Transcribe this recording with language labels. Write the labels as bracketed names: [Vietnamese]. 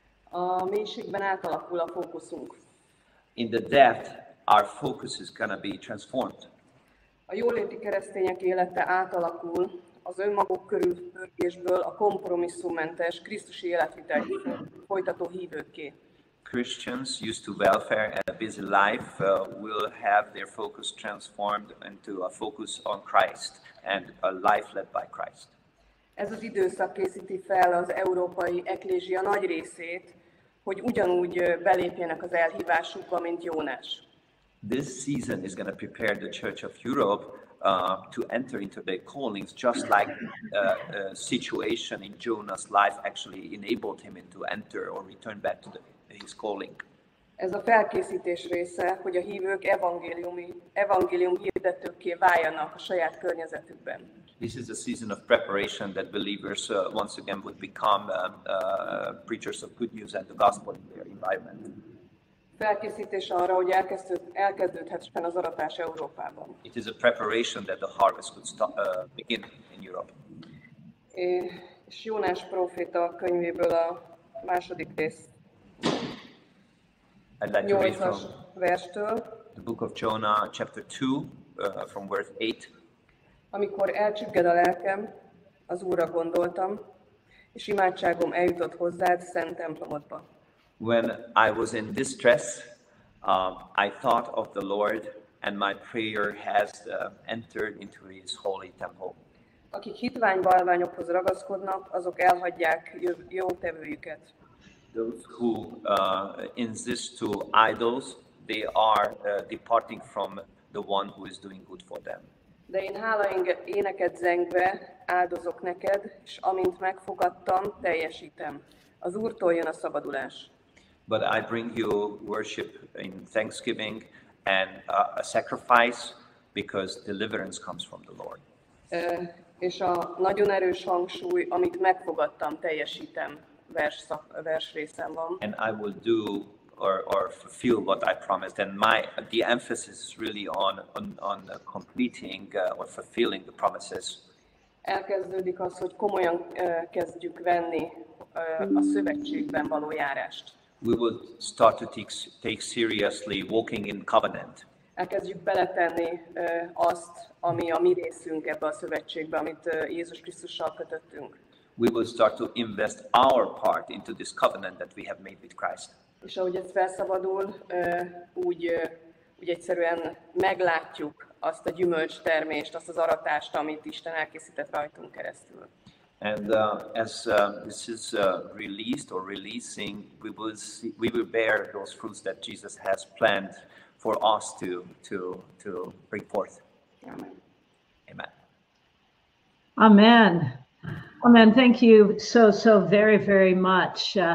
[Hungarian] A mélységben átalakul a fókuszunk. [English] In the depth, our focus is gonna be transformed. [Hungarian] A jóléti keresztények élete átalakul az önmaguk körül pörgésből a kompromisszummentes krisztusi életvitelt folytató hívőkké. [English] Christians used to welfare and a busy life will have their focus transformed into a focus on Christ and a life led by Christ. [Hungarian] Ez az időszak készíti fel az európai eklézsia nagy részét, hogy ugyanúgy belépjenek az elhívásukba, mint Jónás. [English] This season is going to prepare the Church of Europe to enter into their callings, just like a situation in Jonah's life actually enabled him to enter or return back to his calling. [Hungarian] Ez a felkészítés része, hogy a hívők evangélium hirdetőkké váljanak a saját környezetükben. [English] This is a season of preparation that believers once again would become preachers of good news and the gospel in their environment. [Hungarian] Felkészítés arra, hogy elkezdődhessen az aratás Európában. [English] It is a preparation that the harvest could start, begin in Europe. [Hungarian] És Jónás proféta könyvéből a második rész. [English] I'd like to read from [Hungarian] verstől. [English] The book of Jonah, chapter 2, from verse 8. [Hungarian] Amikor elcsügged a lelkem, az Úrra gondoltam, és imádságom eljutott hozzád szent templomodba. [English] When I was in distress, I thought of the Lord, and my prayer has entered into His holy temple. [Hungarian] Akik hitvány bálványokhoz ragaszkodnak, azok elhagyják jó tevőjüket. [English] Those who insist to idols, they are departing from the one who is doing good for them. [Hungarian] De én hála éneket zengve áldozok neked, és amint megfogadtam, teljesítem. Az Úrtól jön a szabadulás. [English] But I bring you worship in thanksgiving and a sacrifice because deliverance comes from the Lord. [Hungarian] És a nagyon erős hangsúly, amit megfogadtam, teljesítem, vers részen van. [English] And I will do or fulfill what I promised. And the emphasis is really on completing or fulfilling the promises. [Hungarian] Elkezdődik az, hogy komolyan kezdjük venni a szövetségben való járást. [English] We would start to take seriously walking in covenant. [Hungarian] Elkezdjük beletenni azt, ami a mi részünk ebbe a szövetségbe, amit Jézus Krisztussal kötöttünk. [English] We would start to invest our part into this covenant that we have made with Christ. [Hungarian] És ahogy ez felszabadul, úgy egyszerűen meglátjuk azt a gyümölcstermést, azt az aratást, amit Isten elkészített rajtunk keresztül. [English] And this is released or releasing, we will bear those fruits that Jesus has planned for us to bring forth. Amen. Amen. Amen. Amen. Thank you so, so very, very much.